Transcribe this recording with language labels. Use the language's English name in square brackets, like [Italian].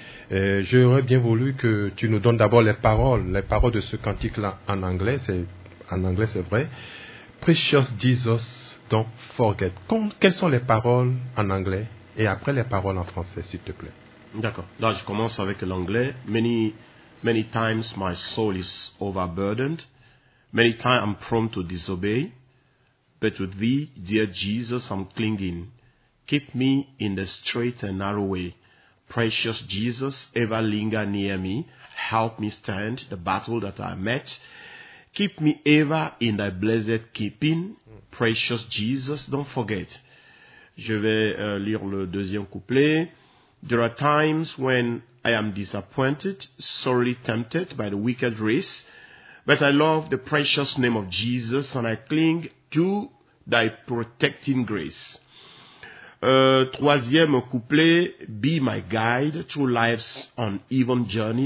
[French] J'aurais bien voulu que tu nous donnes d'abord les paroles de ce cantique-là en anglais. C'est vrai. Precious Jesus. Donc, [English] forget. [French] Quelles sont les paroles en anglais et après les paroles en français, s'il te plaît. D'accord. Là, je commence avec l'anglais. [English] Many times my soul is overburdened. Many times I'm prone to disobey. But with thee, dear Jesus, I'm clinging. Keep me in the straight and narrow way. Precious Jesus, ever linger near me. Help me stand the battle that I met. Keep me ever in thy blessed keeping. Precious Jesus, don't forget. [French] Je vais lire le deuxième couplet. [English] There are times when I am disappointed, sorely tempted by the wicked race, but I love the precious name of Jesus and I cling to thy protecting grace. [French] Troisième couplet. [English] Be my guide through life's uneven journey.